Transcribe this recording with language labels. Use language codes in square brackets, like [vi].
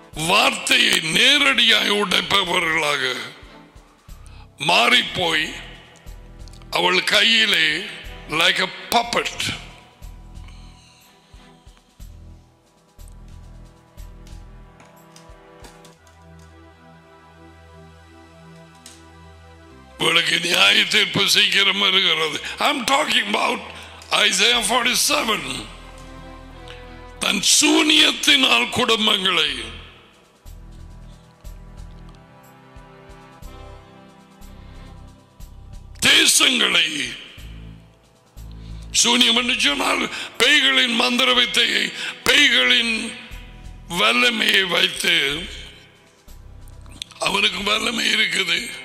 [ta] வார்த்தையை நேரடியாக உடைப்பவர்களாக மாறிப்போய் அவள் கையிலே [en] like a puppet [ta] உங்களுக்கு நியாய தீர்ப்பு சீக்கிரம் வருகிறது. [en] I'm talking about Isaiah 47. [ta] தன் சூனியத்தினால் குடும்பங்களை தேசங்களை சூனியம் என்று சொன்னால் பேய்களின் மந்திர வித்தையை பேய்களின் வல்லமையை வைத்து அவனுக்கு வல்லமை இருக்குது.